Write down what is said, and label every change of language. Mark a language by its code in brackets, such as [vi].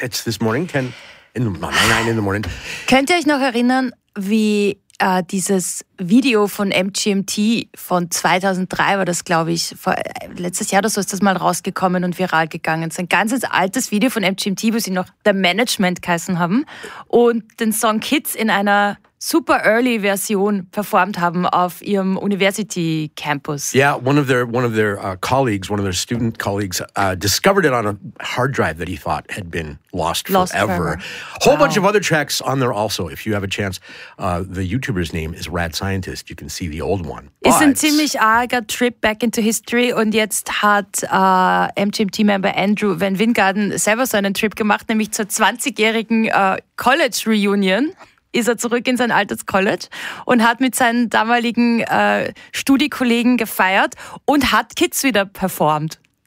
[en] It's this morning, 10 in the morning, 9 in the morning. [de] Könnt ihr euch noch erinnern, wie dieses Video von MGMT von 2003 war das, glaube ich, letztes Jahr oder so ist das mal rausgekommen und viral gegangen. Es ist ein ganz altes Video von MGMT, wo sie noch The Management geheißen haben und den Song Kids in einer [en] super early [de] Version performt haben auf ihrem University Campus. [en] Yeah, one of their colleagues, one of their student colleagues, discovered it on a hard drive that he thought had been lost forever. Whole bunch of other tracks on there also. If you have a chance, the YouTuber's name is Rad Scientist. You can see the old one. [de] Ist ein ziemlich arger Trip [en] back into history. [de] Und jetzt hat MGMT-Member Andrew Van Wingarden selber so einen Trip gemacht, nämlich zur 20-jährigen College Reunion. Ist er zurück in sein altes College und hat mit seinen damaligen Studiekollegen gefeiert und hat Kids wieder performt.